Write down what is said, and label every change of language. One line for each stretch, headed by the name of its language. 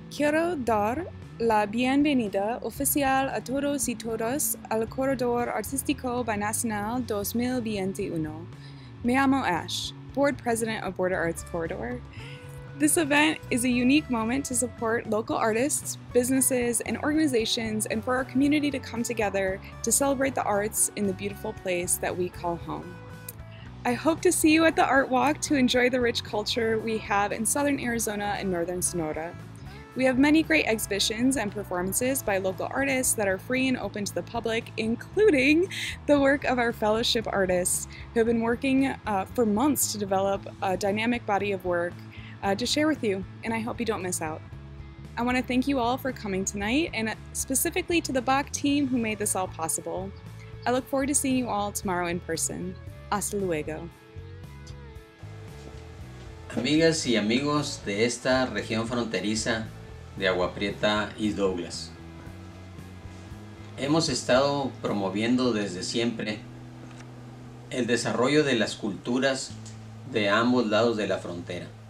Spanish: Quiero dar la bienvenida oficial a todos y todas al Corredor Artístico Binacional 2021. Me llamo Ash, Board President of Border Arts Corridor.
English: This event is a unique moment to support local artists, businesses, and organizations, and for our community to come together to celebrate the arts in the beautiful place that we call home. I hope to see you at the Art Walk to enjoy the rich culture we have in Southern Arizona and Northern Sonora. We have many great exhibitions and performances by local artists that are free and open to the public, including the work of our fellowship artists who have been working for months to develop a dynamic body of work to share with you, and I hope you don't miss out. I want to thank you all for coming tonight, and specifically to the Bach team who made this all possible. I look forward to seeing you all tomorrow in person.
Spanish: Hasta luego. Amigas y amigos de esta región fronteriza de Agua Prieta y Douglas, hemos estado promoviendo desde siempre el desarrollo de las culturas de ambos lados de la frontera.